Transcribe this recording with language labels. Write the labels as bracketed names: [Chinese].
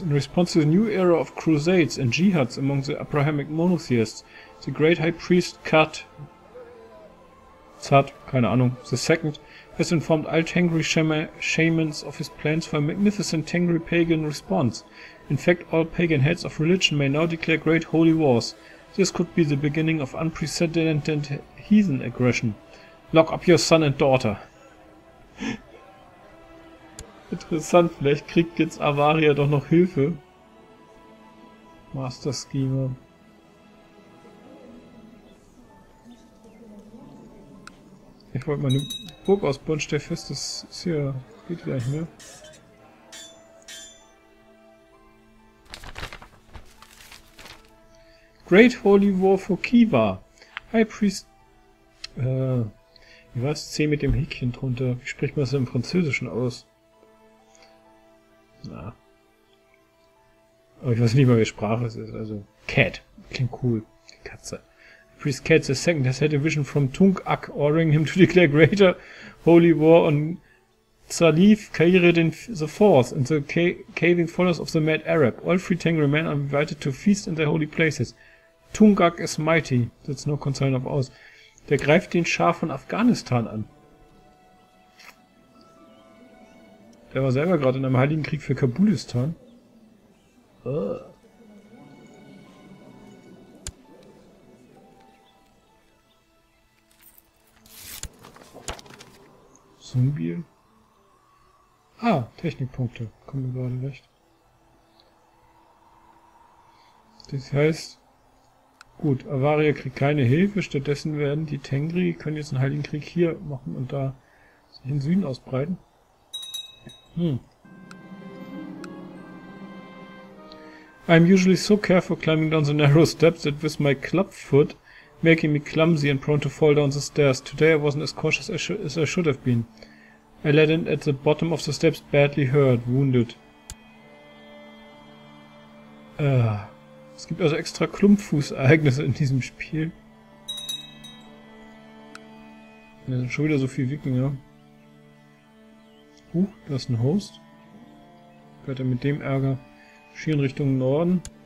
[English] In response to the new era of crusades and jihads among the Abrahamic monotheists, the great high priest Zad, [German] keine Ahnung, [English] the second, has informed all Tengri shamans of his plans for a magnificent Tengri pagan response. In fact, all pagan heads of religion may now declare great holy wars. This could be the beginning of unprecedented heathen aggression. Lock up your son and daughter. [German] Interessant, vielleicht kriegt jetzt Avaria doch noch Hilfe. Master Schemer. Ich wollte meine Burg ausbauen, stell fest, das ist hier, geht wieder nicht mehr. [English] Great Holy War for Kiva. High Priest. [German] Wie war es? C mit dem Häkchen drunter. Wie spricht man das im Französischen aus? Na. Aber ich weiß nicht mal, welche Sprache es ist. Also, Cat. Klingt cool. Die Katze. [English] Priest Cat the Second has had a vision from Tung-Ak, ordering him to declare greater holy war on Tsalif Kairedin the Fourth and the caving followers of the Mad Arab. All three Tengri men are invited to feast in their holy places. Tung-Ak is mighty. That's no concern of ours. [German] Der greift den Schah von Afghanistan an. Der war selber gerade in einem heiligen Krieg für Kabulistan. Zumbiel. Ah, Technikpunkte. Kommen wir gerade recht. Das heißt, gut, Avaria kriegt keine Hilfe. Stattdessen werden die Tengri können jetzt einen heiligen Krieg hier machen und da sich in Süden ausbreiten. [English] I'm usually so careful climbing down the narrow steps that with my club foot making me clumsy and prone to fall down the stairs. Today I wasn't as cautious as I should have been. I landed at the bottom of the steps badly hurt, wounded. [German] Es gibt also extra Klumpfußereignisse in diesem Spiel. Da sind schon wieder so viele Wikinger. Huch, da ist ein Host. Fährt er mit dem Ärger schieren Richtung Norden.